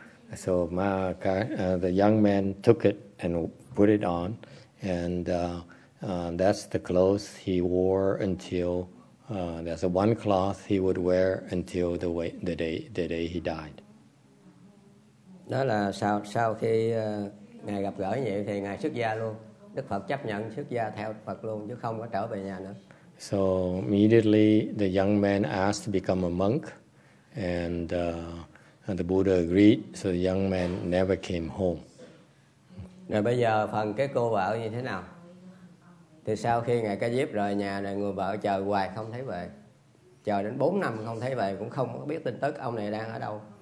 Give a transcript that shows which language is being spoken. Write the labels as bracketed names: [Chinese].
[English] The young man took it and put it on, that's the clothes he wore that's the one cloth he would wear until the day he died. [Vietnamese] Đó là sau khi ngài gặp gỡ như vậy thì ngài xuất gia luôn. Đức Phật chấp nhận xuất gia theo Phật luôn chứ không có trở về nhà nữa. [English] So immediately the young man asked to become a monk, and the Buddha agreed, so the young man never came home. [Vietnamese] Rồi bây giờ phần cái cô vợ như thế nào? Thì sau khi ngài ca diếp rời nhà này, người vợ chờ hoài không thấy về. Chờ đến 4 năm không thấy về, cũng không biết tin tức ông này đang ở đâu.